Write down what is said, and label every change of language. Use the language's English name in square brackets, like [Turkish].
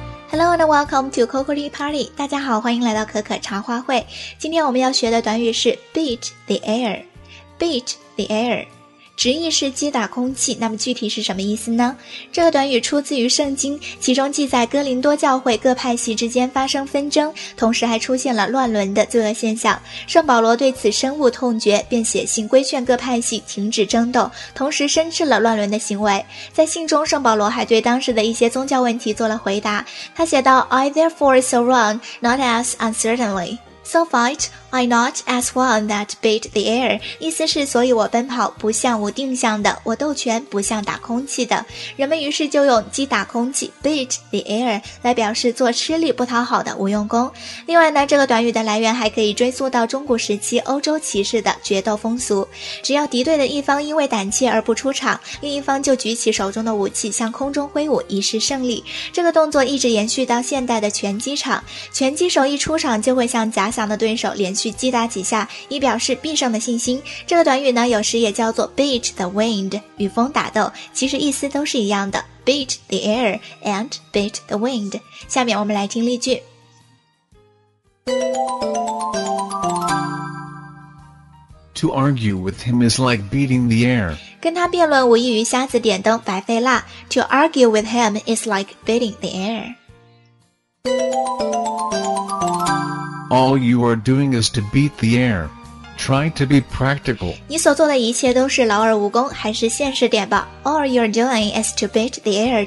[English] Hello and welcome to Coccoli Party. [Chinese] 大家好，欢迎来到可可茶话会。今天我们要学的短语是 [English] beat the air. Beat the air. [Chinese] 直译是击打空气，那么具体是什么意思呢？这个短语出自于圣经，其中记载哥林多教会各派系之间发生纷争，同时还出现了乱伦的罪恶现象。圣保罗对此深恶痛绝，便写信规劝各派系停止争斗，同时深斥了乱伦的行为。在信中，圣保罗还对当时的一些宗教问题做了回答。他写道 [English] I therefore so run, not as uncertainly. So fight I not as one that beat the air. [Chinese] 意思是所以我奔跑不像无定向的，我斗拳不像打空气的。人们于是就用击打空气 [English] beat the air [Chinese] 来表示做吃力不讨好的无用功。另外呢，这个短语的来源还可以追溯到中古时期欧洲骑士的决斗风俗。只要敌对的一方因为胆怯而不出场，另一方就举起手中的武器向空中挥舞以示胜利。这个动作一直延续到现代的拳击场，拳击手一出场就会向假想的对手连续击打几下，以表示必胜的信心。这个短语呢，有时也叫做 [English] beat the wind， [Chinese] 与风打斗，其实意思都是一样的 ， [English] beat the air and beat the wind。 [Chinese] 下面我们来听例句。 [English] To argue with him is like beating the air。 [Chinese] 跟他辩论无异于瞎子点灯，白费蜡。 [English] To argue with him is like beating the air。 All you are doing is to beat the air. Try to be practical. [Chinese] 你所做的一切都是劳而无功，还是现实点吧。 [English] All you are doing is to beat the air.